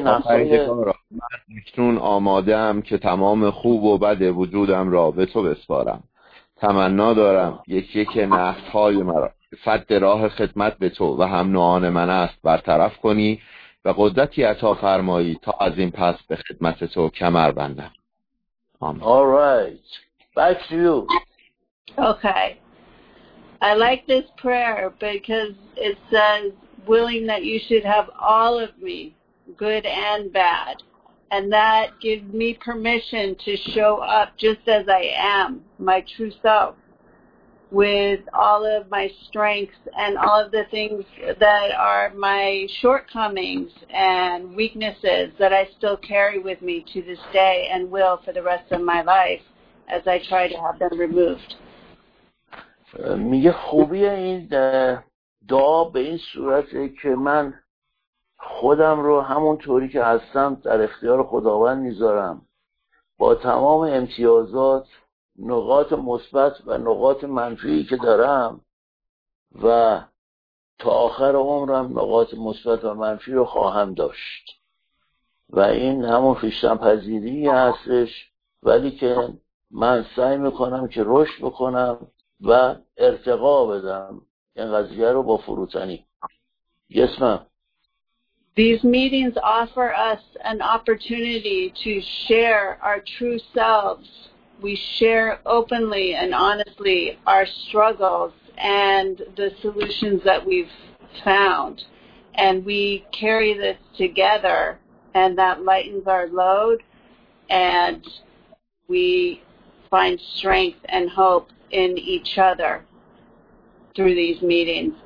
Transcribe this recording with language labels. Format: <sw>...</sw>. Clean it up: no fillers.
<fa>من اکنون آمادم که تمام خوب و بد وجودم را به تو بسپارم. تمنا دارم یکی که نقص‌های مرا سد راه خدمت به تو و هم نوعان من است برطرف کنی و قدرتی عطا فرمایی تا از این پس به خدمت تو کمر بندم. آمین.</fa> <en>All right. Back to you. Okay. I like this prayer because it says, willing that you should have all of me, good and bad. And that gives me permission to show up just as I am, my true self, with all of my strengths and all of the things that are my shortcomings and weaknesses that I still carry with me to this day and will for the rest of my life as I try to have them removed.</en> <fa>میگه خوبیه این دعا به این صورته که من خودم رو همون طوری که هستم در اختیار خداوند میذارم با تمام امتیازات نقاط مثبت و نقاط منفی که دارم و تا آخر عمرم نقاط مثبت و منفی رو خواهم داشت و این همون خویشتن پذیری هستش ولی که من سعی میکنم که رشد بکنم و ارتقا بدم این قضیه رو با فروتنی یسمم.</fa> <en>These meetings offer us an opportunity to share our true selves. We share openly and honestly our struggles and the solutions that we've found. And we carry this together, and that lightens our load, and we find strength and hope in each other through these meetings.</en>